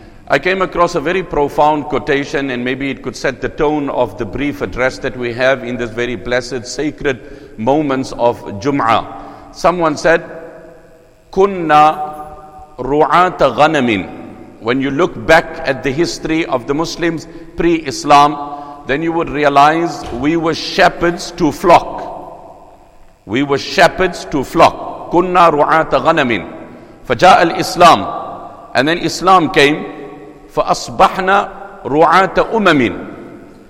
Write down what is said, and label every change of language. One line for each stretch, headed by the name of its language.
English: I came across a very profound quotation, and maybe it could set the tone of the brief address that we have in this very blessed sacred moments of Jum'ah. Someone said,
Arabic: كنا رعاة غنم.
English: When you look back at the history of the Muslims pre-Islam, then you would realize we were shepherds to flock. We were shepherds to flock.
Arabic: Kunna ru'ata ghanamin. Faja'a al-Islam.
English: And then Islam came.
Arabic: Fa'asbahna ru'ata umamin.